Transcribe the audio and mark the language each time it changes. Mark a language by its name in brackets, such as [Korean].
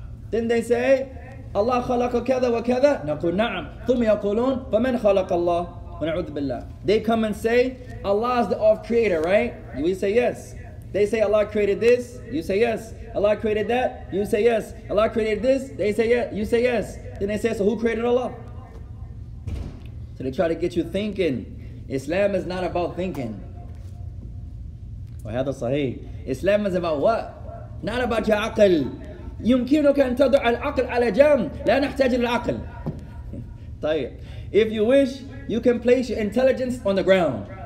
[English] Then they say, [Arabic] Allah خلق كذا وكذا نقول نعم ثم يقولون فمن خلق الله ونعوذ بالله. [English] They come and say Allah is the off creator, right? We say yes. They say Allah created this, you say yes. Allah created that, you say yes. Allah created this, they say yes, you say yes. Then they say, so who created Allah? So they try to get you thinking. Islam is not about thinking. [Arabic] وهذا صحيح. [English] Islam is about what? Not about your عقل. [Arabic] يمكنك أن تضع العقل على جنب لا نحتاج للعقل. طيب. [English] If you wish, you can place your intelligence on the ground.